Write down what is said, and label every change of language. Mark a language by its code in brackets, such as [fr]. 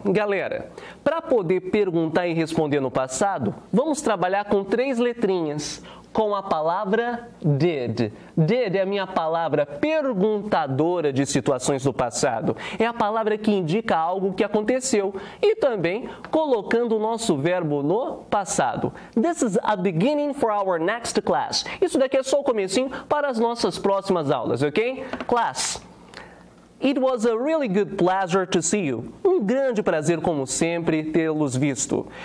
[pt] Galera, para poder perguntar e responder no passado, vamos trabalhar com três letrinhas. Com a palavra did. Did é a minha palavra perguntadora de situações do passado. É a palavra que indica algo que aconteceu. E também colocando o nosso verbo no passado. [en] This is a beginning for our next class. [pt] Isso daqui é só o comecinho para as nossas próximas aulas, ok? [en] Class, it was a really good pleasure to see you. [pt] Um grande prazer, como sempre, tê-los visto.